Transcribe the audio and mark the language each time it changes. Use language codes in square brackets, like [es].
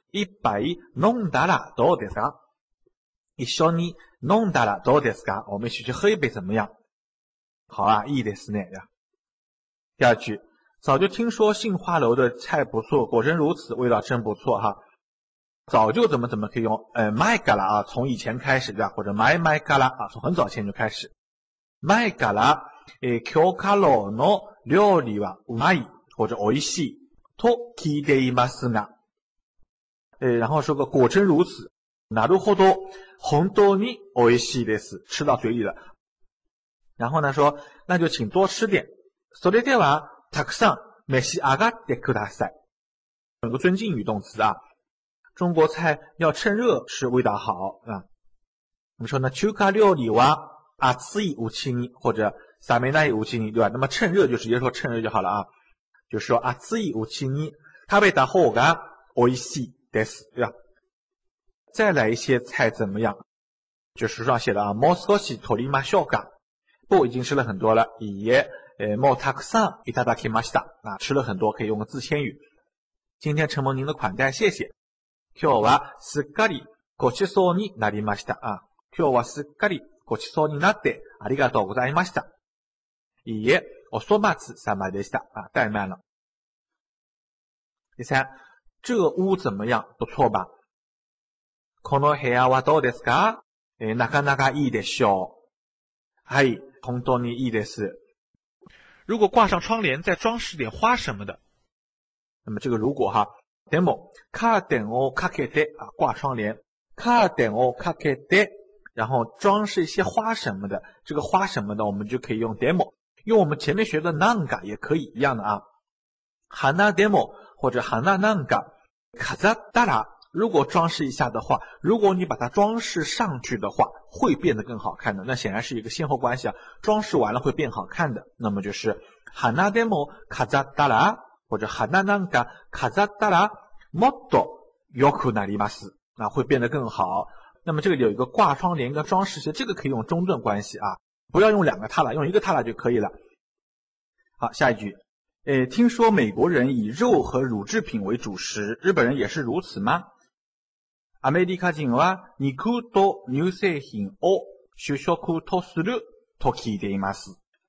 [ja] 一杯飲んだらどうですか？一緒に飲んだらどうですか？ [zh] 我们一起去喝一杯怎么样？好啊， [ja] いいですね。 [zh] 第二句。早就听说杏花楼的菜不错，果真如此，味道真不错哈。早就怎么怎么可以用前から啊，从以前开始对吧，或者前々から啊，从很早前就开始。 [ja] 前から京華樓の料理はうまい或者おいしいと聞いていますが。 [zh] 然后说个果真如此。 [ja] なるほど、本当においしいです。 [zh] 吃到嘴里了。然后呢说那就请多吃点， [ja] それではたくさん召し上がってください。 [zh] 有个尊敬语动词啊，中国菜要趁热吃味道好啊。我们说呢， [ja] 中華料理は熱いうちに或者冷めないうちに，对吧？ [zh] 那么趁热就直接说趁热就好了啊，就是说 [ja] 熱いうちに食べた方が美味しいです， [zh] 对吧？再来一些菜怎么样？就是书上写的啊， [ja] もう少し取りましょうか。 [zh] 不，已经吃了很多了。 [ja] いいえ、もうたくさんいただきました。 [zh] 啊，吃了很多，可以用个自谦语。今天承蒙您的款待，谢谢。 [ja] 今日はすっかりごちそうになりました。啊，今日はすっかりごちそうになってありがとうございました。いいえ、お粗末様でした。 [zh] 啊，怠慢了。第三，这屋怎么样？不错吧？ [ja] この部屋はどうですか？なかなかいいでしょう。はい、本当にいいです。 [zh] 如果挂上窗帘再装饰点花什么的。那么这个如果哈， [ja] でもカーテンをかけて、 [zh] 啊、挂窗帘。カーテンをかけて，然后装饰一些花什么的。这个花什么的我们就可以用でも，用我们前面学的なんか也可以一样的啊。花でも或者花なんか飾ったら，如果装饰一下的话，如果你把它装饰上去的话，会变得更好看的。那显然是一个先后关系啊，装饰完了会变好看的。 [ja] 那么就是花でも飾ったら，或者花なんか飾ったらもっと良くなります。 [zh] 那会变得更好。那么这里有一个挂窗帘跟装饰，其实这个可以用中断关系啊，不要用两个它了，用一个它了就可以了。好，下一句。听说美国人以肉和乳制品为主食，日本人也是如此吗？ [ja] アメリカ人は肉と乳製品を主食とすると聞いています。